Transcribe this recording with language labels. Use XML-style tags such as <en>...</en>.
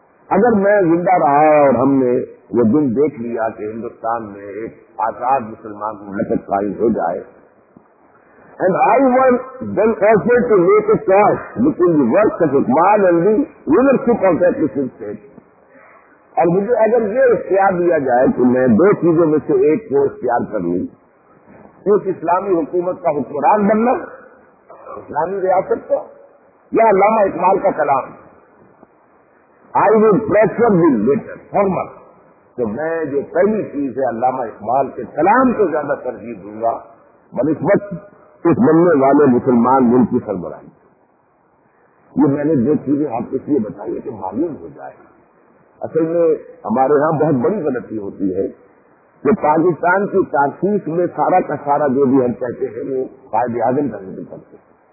<ur>اگر میں زندہ رہا اور ہم نے یہ دن دیکھ لیا کہ ہندوستان میں ایک آزاد مسلمان مملکت قائم ہو جائے</ur> <en>and I was then also to make a choice between the works of Iqbal and the leadership of that Muslim state.</en> <ur>اور مجھے اگر یہ اختیار دیا جائے تو میں دو چیزوں میں سے ایک کو اختیار کر لوں, ایک اسلامی حکومت کا حکمران بننا اسلامی ریاست کا یا علامہ اقبال کا کلام.</ur> <en>I will pressure the latter former.</en> <ur>تو میں جو پہلی چیز ہے علامہ اقبال کے کلام کو زیادہ ترجیح دوں گا بنسبت اس بننے والے مسلمان ملک کی سربراہی. یہ میں نے دو چیزیں آپ کو اس لیے بتائی ہے کہ معلوم ہو جائے. اصل میں ہمارے ہاں بہت بڑی غلطی ہوتی ہے کہ پاکستان کی تاسیس میں سارا کا سارا جو بھی ہم کہتے ہیں وہ قائد اعظم کا ذکر کرتے ہیں.</ur>